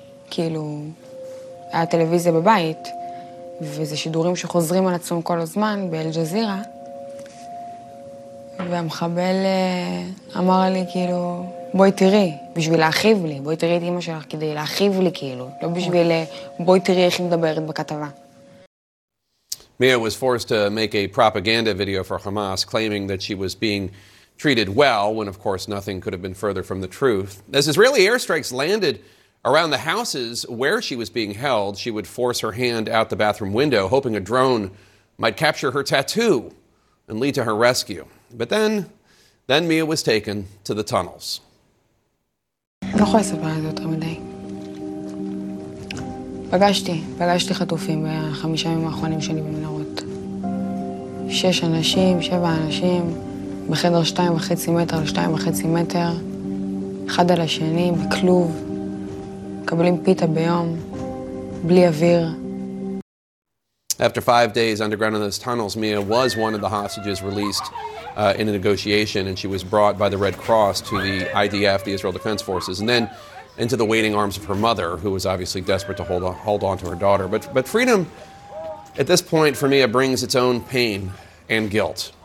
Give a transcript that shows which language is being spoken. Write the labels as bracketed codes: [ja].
[he] כאילו, היה טלוויזיה בבית, וזה שידורים שחוזרים על עצמם כל הזמן, באל-ג'זירה. והמחבל אמר לי, כאילו, בואי תראי. בשביל להכיב לי, בואי תראי את אמא שלך כדי להכיב לי כאילו, לא בשביל בואי תראי איך היא מדברת בכתבה. [en] Mia was forced to make a propaganda video for Hamas, claiming that she was being treated well, when of course nothing could have been further from the truth. As Israeli airstrikes landed around the houses where she was being held, she would force her hand out the bathroom window, hoping a drone might capture her tattoo and lead to her rescue. But then Mia was taken to the tunnels. [he] לא יכולה לספר על זה יותר מדי. פגשתי חטופים בחמישה ימים האחרונים שלי במנהרות. שש אנשים, שבע אנשים, בחדר 2.5 meters ל-2.5 meters, אחד על השני, בכלוב, מקבלים פיטה ביום, בלי אוויר. [en] After 5 days underground in those tunnels, Mia was one of the hostages released in a negotiation, and she was brought by the Red Cross to the IDF, the Israel Defense Forces, and then into the waiting arms of her mother, who was obviously desperate to hold on to her daughter. But freedom, at this point, for Mia, brings its own pain and guilt.